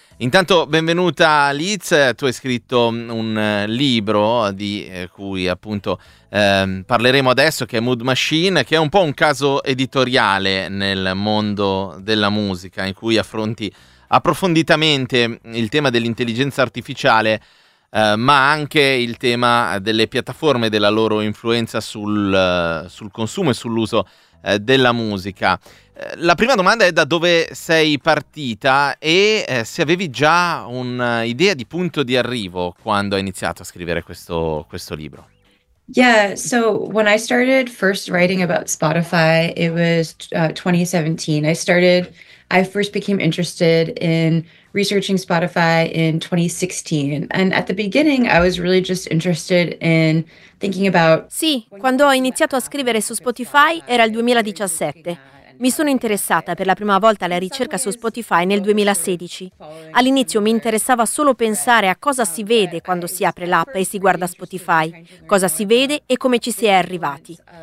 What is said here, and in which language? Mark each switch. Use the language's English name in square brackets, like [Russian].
[Italian] Intanto benvenuta Liz, tu hai scritto un libro di cui appunto parleremo adesso, che è Mood Machine, che è un po' un caso editoriale nel mondo della musica, in cui affronti approfonditamente il tema dell'intelligenza artificiale, ma anche il tema delle piattaforme e della loro influenza sul consumo e sull'uso della musica. La prima domanda è: da dove sei partita e se avevi già un'idea di punto di arrivo quando hai iniziato a scrivere questo libro? [English] Yeah, so when I started first writing about Spotify, it was 2017. I first became interested in researching Spotify in 2016. And at the beginning, I was really just interested in thinking about... [Italian] Sì, quando ho iniziato a scrivere su Spotify era il 2017. Mi sono interessata per la prima volta alla ricerca su Spotify nel 2016. All'inizio mi interessava solo pensare a cosa si vede quando si apre l'app e si guarda Spotify, cosa si vede e come ci si è arrivati.